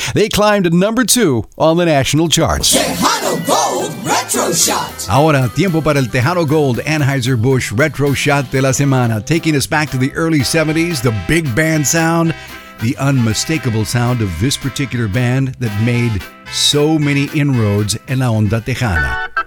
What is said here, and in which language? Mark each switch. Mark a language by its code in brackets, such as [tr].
[en] They climbed to number 2 on the national charts. Tejano Gold Retro Shot. [es] Ahora, tiempo para el Tejano Gold Anheuser-Busch Retro Shot de la Semana. [en] Taking us back to the early 70s, the big band sound, the unmistakable sound of this particular band that made so many inroads [es] en la onda tejana.